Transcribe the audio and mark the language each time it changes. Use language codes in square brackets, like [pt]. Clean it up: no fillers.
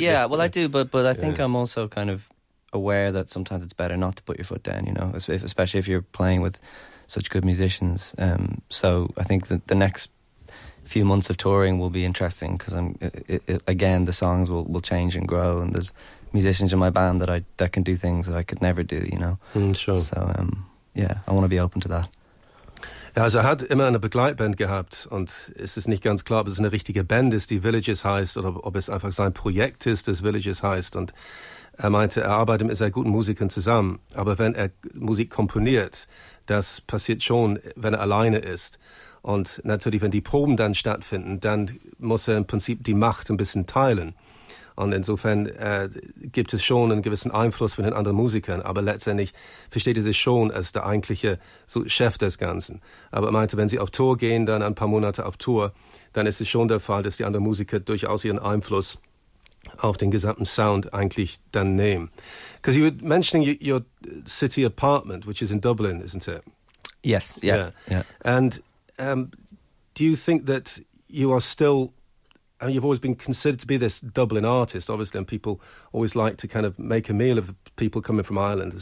[en] Yeah, well, I do, but I think I'm also kind of aware that sometimes it's better not to put your foot down, you know, especially if you're playing with such good musicians. So I think that the next few months of touring will be interesting because, again, the songs will change and grow, and there's musicians in my band that can do things that I could never do, you know. Sure. So, I want to be open to that. [de] Ja, also er hat immer eine Begleitband gehabt und es ist nicht ganz klar, ob es eine richtige Band ist, die Villages heißt, oder ob es einfach sein Projekt ist, das Villages heißt. Und er meinte, er arbeitet mit sehr guten Musikern zusammen, aber wenn er Musik komponiert, das passiert schon, wenn er alleine ist. Und natürlich, wenn die Proben dann stattfinden, dann muss er im Prinzip die Macht ein bisschen teilen. Und insofern gibt es schon einen gewissen Einfluss von den anderen Musikern, aber letztendlich versteht er sich schon als der eigentliche so Chef des Ganzen. Aber er meinte, wenn sie auf Tour gehen, dann ein paar Monate auf Tour, dann ist es schon der Fall, dass die anderen Musiker durchaus ihren Einfluss auf den gesamten Sound eigentlich dann nehmen. [en] Because you were mentioning your city apartment, which is in Dublin, isn't it? Yes, yeah. And do you think that you are still... I mean, you've always been considered to be this Dublin artist, obviously, and people always like to kind of make a meal of people coming from Ireland.